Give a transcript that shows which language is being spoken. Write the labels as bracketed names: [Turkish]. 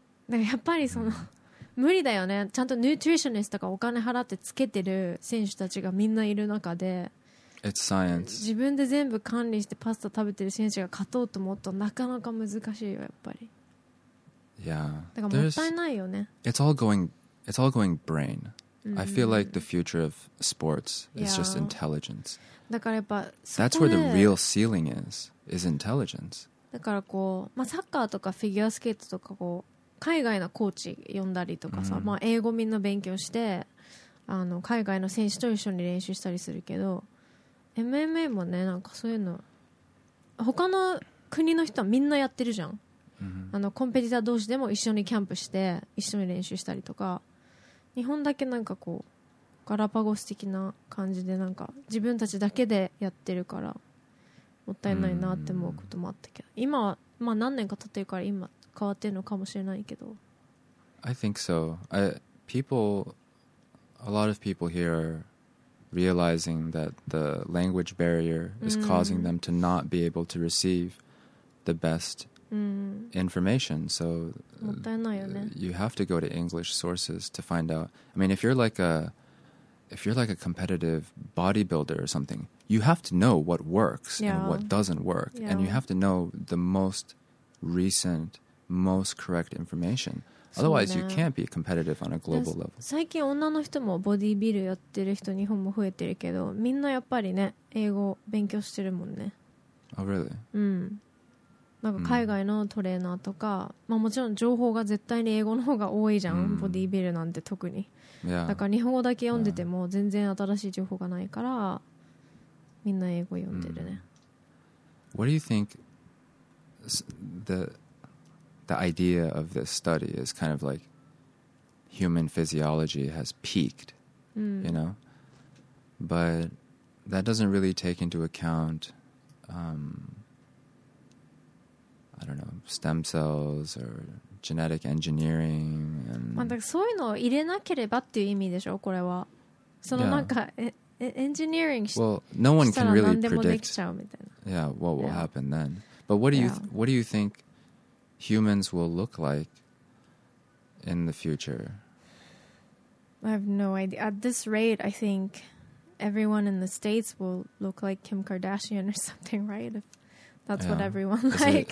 [Japanese] だからやっぱりその無理だよね。ちゃんとニューティリショニストとかお金払ってつけてる選手たちがみんないる中で [English] It's science. [Japanese] 自分で全部管理してパスタ食べてる選手が勝とうと思ったらなかなか難しいよやっぱり。 [English] Yeah. [Japanese] だからもったいないよね。 [English] It's all going brain. I feel like the future of sports is yeah. just intelligence. [Japanese] だからやっぱ [English] That's where the real ceiling is intelligence. [Japanese] だからこう、まあ、サッカーとかフィギュアスケートとかこう海外のコーチ呼んだりとかさ、まあ、英語みんな勉強してあの海外の選手と一緒に練習したりするけど MMA もねなんかそういうの他の国の人はみんなやってるじゃん、あのコンペティター同士でも一緒にキャンプして一緒に練習したりとか日本だけなんかこうガラパゴス的な感じでなんか自分たちだけでやってるからもったいないなって思うこともあったけど、今はまあ何年か経ってるから今変わってるのかもしれないけど [English] I think so. A lot of people here are realizing that the language barrier is causing them to not be able to receive the bestinformation, so you have to go to English sources to find out. I mean, if you're like a competitive bodybuilder or something, you have to know what works and what doesn't work, and you have to know the most recent, most correct information. Otherwise, you can't be competitive on a global level. [Japanese] 最近女の人もボディビルやってる人日本も増えてるけど、みんなやっぱりね英語勉強してるもんね。 [English] Oh, really? [Japanese] なんか海外のトレーナーとか、まあ、もちろん情報が絶対に英語の方が多いじゃん、ボディービルなんて特に、だから日本語だけ読んでても全然新しい情報がないからみんな英語読んでるね。 [English] What do you think the idea of this study is kind of like human physiology has peaked, you know? But that doesn't really take into account, I don't know, stem cells or genetic engineering. And [Japanese] そういうのを入れなければっていう意味でしょ、これは。そのなんか、engineering したら何でもできちゃうみたいな。 [English] Well, no one can really predict. Yeah, what will happen then? But what do you, what do you think humans will look like in the future? I have no idea. At this rate, I think everyone in the States will look like Kim Kardashian or something, right? If that's what everyone likes.